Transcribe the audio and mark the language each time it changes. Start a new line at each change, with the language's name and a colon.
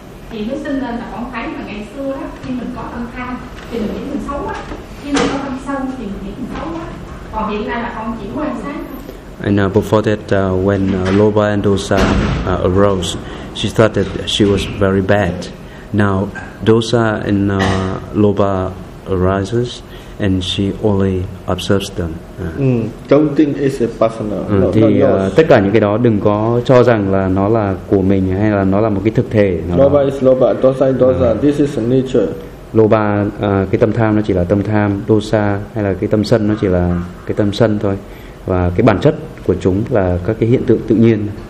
Vietnamese: Thì nó sinh lên là con thấy là ngày xưa đó, khi mình có tâm tham thì mình nghĩ mình xấu á, khi mình có tâm sân thì mình nghĩ mình xấu á, còn hiện nay là con chỉ quan sát thôi.
English: And before that, when lobha and dosa arose, she thought that she was very bad. Now dosa and lobha arises, and she only observes them. Don't think it's a personal.
Vietnamese: Thì tất cả những cái đó đừng có cho rằng là nó là của mình hay là nó là một cái thực thể.
English: Lobha is lobha, dosa is dosa. This is a nature.
Vietnamese: Lobha, cái tâm tham nó chỉ là tâm tham, dosa hay là cái tâm sân nó chỉ là cái tâm sân thôi. Và cái bản chất của chúng là các cái hiện tượng tự nhiên.